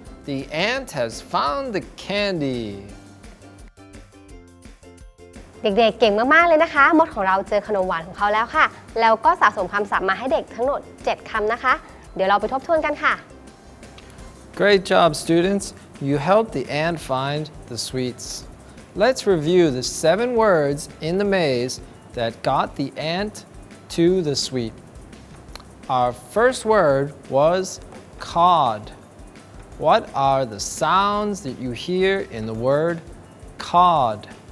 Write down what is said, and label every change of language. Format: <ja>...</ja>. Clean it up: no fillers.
<en>The ant has found the candy.</en> <th>เด็กๆเก่งมากๆเลยนะคะมดของเราเจอขนมหวานของเขาแล้วค่ะแล้วก็สะสมคำศัพท์มาให้เด็กทั้งหมด7คำนะคะเดี๋ยวเราไปทบทวนกันค่ะ</th> <en>Great job, students. You helped the ant find the sweets. Let's review the 7 words in the maze that got the ant to the sweet. Our first word was cod. What are the sounds that you hear in the word cod?</en>